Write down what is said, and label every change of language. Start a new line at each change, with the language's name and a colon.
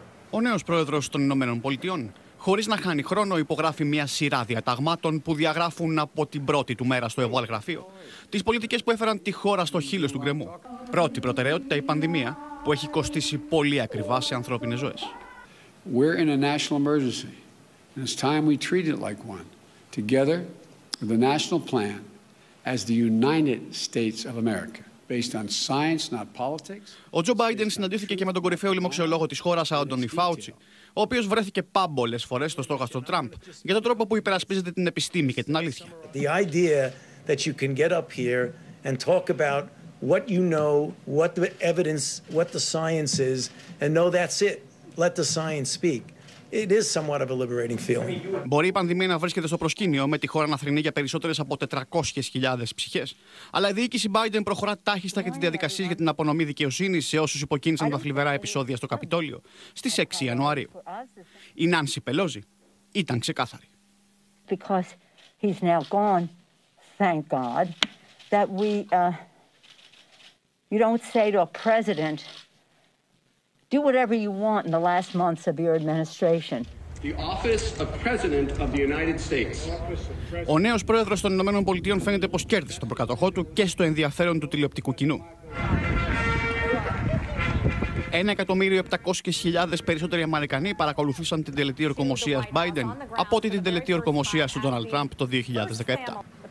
Greek: Ο νέος πρόεδρος των Ηνωμένων Πολιτειών, χωρίς να χάνει χρόνο, υπογράφει μια σειρά διαταγμάτων που διαγράφουν από την πρώτη του μέρα στο Οβάλ Γραφείο τις πολιτικές που έφεραν τη χώρα στο χείλος του γκρεμού. Πρώτη προτεραιότητα η πανδημία, που έχει κοστίσει πολύ ακριβά σε ανθρώπινες ζωές.
English: We're in a national emergency, and it's time we treat it like one. Together, the national plan as the United States of America.
Greek: Ο Τζο Μπάιντεν συναντήθηκε και με τον κορυφαίο λοιμοξιολόγο της χώρας, Άντονι Φάουτσι, ο οποίος βρέθηκε πάμπολες φορές στο στόχαστρο Τραμπ για τον τρόπο που υπερασπίζεται την επιστήμη και την αλήθεια.
English: The idea that you can get up here and talk about what you know, what the evidence, what the science is, and know that's it. Let the science speak. It is somewhat of a liberating feeling.
Greek: Μπορεί η πανδημία να βρίσκεται στο προσκήνιο, με τη χώρα να θρυνεί για περισσότερες από 400.000 ψυχές. Αλλά η διοίκηση Biden προχωρά τάχιστα και τις διαδικασίες για την απονομή δικαιοσύνης σε όσους υποκίνησαν τα θλιβερά επεισόδια στο Καπιτόλιο στις 6 Ιανουαρίου. Η Νάνση Πελόζη ήταν ξεκάθαρη.
English: Because he's now gone, thank God, that we, you don't say to a president, do whatever you want in the last months of your administration. The office of President of the United States.
Greek: Ο νέος πρόεδρος των Ηνωμένων Πολιτειών φαίνεται πως κέρδισε τον προκατοχό του και στο ενδιαφέρον του τηλεοπτικού κοινού. 1.700.000 περισσότεροι Αμερικανοί παρακολουθήσαν την τελετή ορκομοσίας Biden από ότι την τελετή ορκομοσίας του Donald Trump το 2017.